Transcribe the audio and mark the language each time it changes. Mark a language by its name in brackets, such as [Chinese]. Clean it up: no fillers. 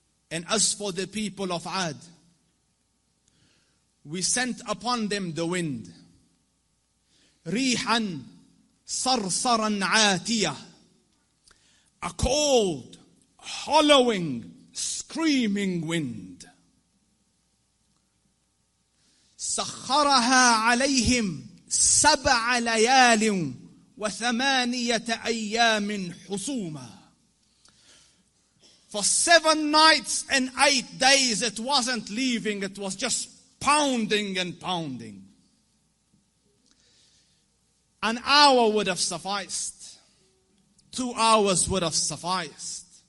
[English] And as for the people of Ad, we sent upon them the wind. [Arabic] رِيحًا صَرْصَرًا عَاتِيَةً. [English] A cold, hollowing, screaming wind. [Arabic] سخرها عليهم سبع ليال وثمانية أيام حصوما. [English] For 7 nights and 8 days, it wasn't leaving, it was just pounding and pounding. An hour would have sufficed. 2 hours would have sufficed.